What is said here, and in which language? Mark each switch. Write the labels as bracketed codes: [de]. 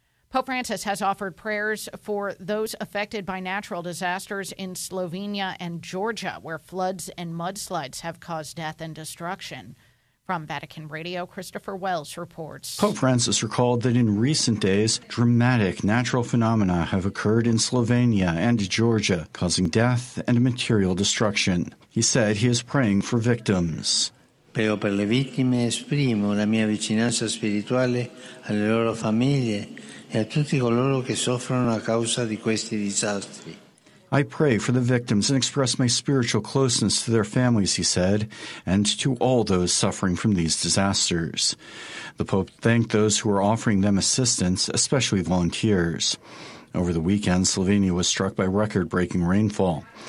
[en] Pope Francis has offered prayers for those affected by natural disasters in Slovenia and Georgia, where floods and mudslides have caused death and destruction. From Vatican Radio, Christopher Wells reports. Pope Francis recalled that in recent days, dramatic natural phenomena have occurred in Slovenia and Georgia, causing death and material destruction. He said he is praying for victims. [it] Prego per le vittime, esprimo la mia vicinanza spirituale alle loro famiglie e a tutti coloro che soffrono a causa di questi disastri. [en] I pray for the victims and express my spiritual closeness to their families, he said, and to all those suffering from these disasters. The Pope thanked those who were offering them assistance, especially volunteers. Over the weekend, Slovenia was struck by record-breaking rainfall.